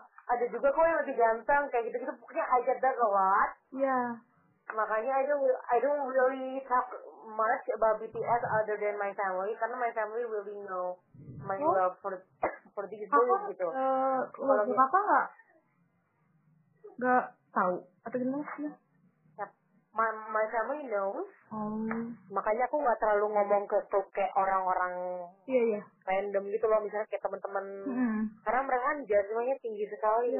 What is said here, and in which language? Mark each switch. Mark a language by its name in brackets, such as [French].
[Indonesian] Ada juga kok yang lebih ganteng kayak gitu-gitu. [English] Pokoknya I get that a lot. Yeah. Makanya I don't really talk much about BTS other than my family. Karena my family really know my love for these boys gitu. [Indonesian] Kalau apa nggak tahu atau gimana sih? [English] My family knows. Oh. [Indonesian] Makanya aku nggak terlalu ngomong ke tuh kayak orang-orang yeah, yeah. random gitu loh misalnya kayak teman-teman karena mereka kan jadwalnya tinggi sekali.